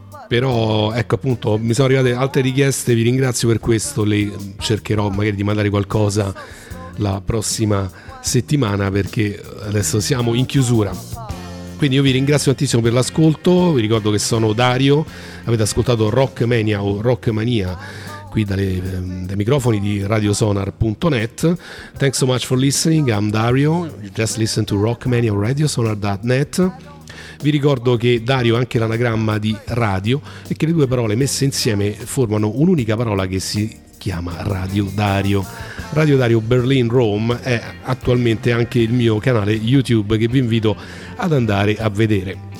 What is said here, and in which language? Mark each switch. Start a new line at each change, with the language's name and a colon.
Italian: Però ecco, appunto, mi sono arrivate altre richieste, vi ringrazio per questo, le cercherò magari di mandare qualcosa la prossima settimana, perché adesso siamo in chiusura. Quindi io vi ringrazio tantissimo per l'ascolto, vi ricordo che sono Dario, avete ascoltato Rockmania o Rockmania qui dai microfoni di radiosonar.net.
English: Thanks so much for listening, I'm Dario, you just listen to Rockmania o radiosonar.net.
Italian: Vi ricordo che Dario è anche l'anagramma di radio e che le due parole messe insieme formano un'unica parola che si chiama Radio Dario. Radio Dario Berlin Rome è attualmente anche il mio canale YouTube, che vi invito ad andare a vedere.